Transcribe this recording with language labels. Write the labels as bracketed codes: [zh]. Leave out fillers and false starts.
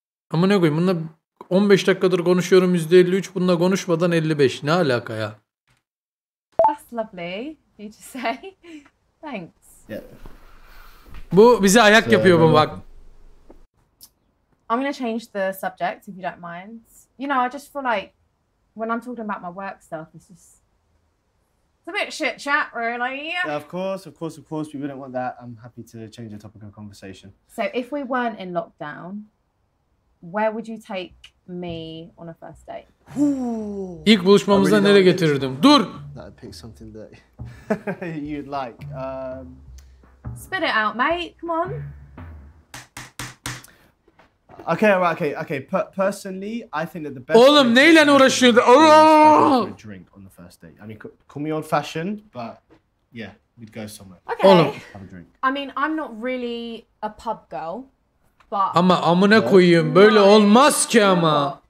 [tr] Ama ne koyayım, bununla 15 dakikadır konuşuyorum %53, bununla konuşmadan 55. Ne alaka ya? [en] That's lovely, you just say. Thanks. Yeah. [tr] Bu bize ayak yapıyor bu bak. [en] I'm gonna change the subject if you don't mind. You know, I just feel like when I'm talking about my work stuff, it's a bit shit chat, really. Yeah, of course. We wouldn't want that. I'm happy to change the topic of conversation. So if we weren't in lockdown, where would you take me on a first date? [tr] İlk buluşmamızda really nereye getirirdim? Dur! [en] I'd pick something that you'd like. Spit it out, mate. Come on. Okay. Personally, I think that the best. [tr] Oğlum neyle uğraşıyordun? [en] Oh! Drink on the first date. I mean, call me old-fashioned, but yeah, we'd go somewhere. [tr] Okay. Oğlum. [en] Have a drink. I mean, I'm not really a pub girl, but. [tr] Ama amına koyayım, böyle olmaz ki ama.